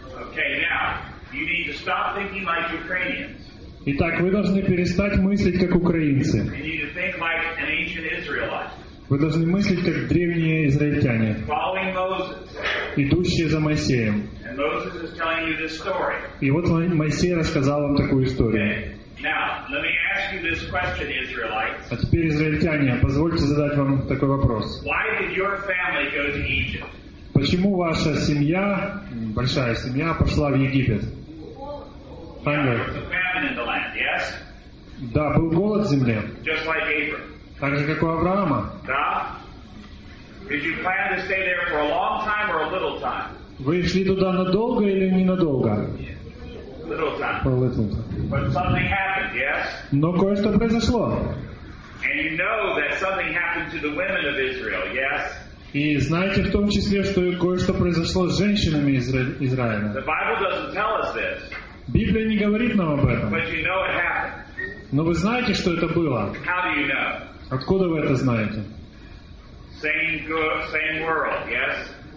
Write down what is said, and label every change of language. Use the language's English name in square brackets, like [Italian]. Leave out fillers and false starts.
[English] Okay, now, you need to stop thinking like Ukrainians. [Russian] Итак, вы должны перестать мыслить как украинцы. [English] You need to think like an ancient Israelite. [Russian] Вы должны мыслить как древние израильтяне, [English] following Moses. [Russian] Идущие за Моисеем. [English] And Moses is telling you this story. [Russian] И вот Моисей рассказал вам такую историю. [English] Okay. Now, let me ask you this question, Israelites. [Russian] А теперь, израильтяне, позвольте задать вам такой вопрос. [English] Why did your family go to Egypt? [Russian] Почему ваша семья, большая семья, пошла в Египет? [English] Yeah, there was a famine in the land, yes? [Russian] Да, был голод в земле. [English] Just like Abraham. [Russian] Так же, как у Авраама. Да. [English] Did you plan to stay there for a long time or a little time? [Russian] Вы шли туда надолго или ненадолго? [English] Little time. But something happened, yes? [Russian] Но кое-что произошло. [English] And you know that something happened to the women of Israel, yes? [Russian] И знаете в том числе, что кое-что произошло с женщинами Израиля. [English] The Bible doesn't tell us this. [Russian] Библия не говорит нам об этом. [English] But you know it happened. [Russian] Но вы знаете, что это было? [English] How do you know? [Russian] Откуда вы это знаете? [English] Same world, yes?